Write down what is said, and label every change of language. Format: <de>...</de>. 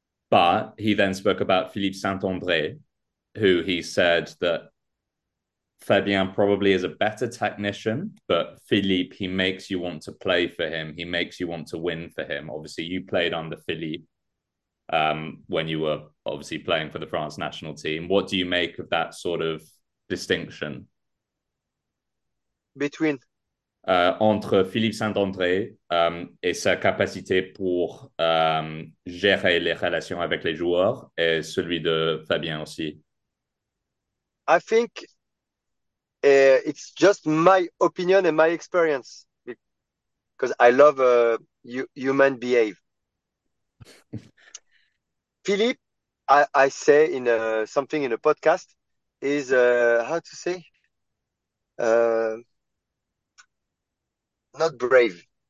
<en>But he then spoke about Philippe Saint-André, who he said that Fabien probably is a better technician, but Philippe, he makes you want to play for him. He makes you want to win for him. Obviously, you played under Philippe when you were obviously playing for the France national team. What do you make of that sort of distinction? Between</en> <fr>Entre Philippe Saint-André et sa capacité pour gérer les relations avec les joueurs et celui de Fabien aussi.</fr> <en>I think it's just my opinion and my experience, because I love human behavior. Philippe, I say in something in a podcast, is how to say not brave.</en>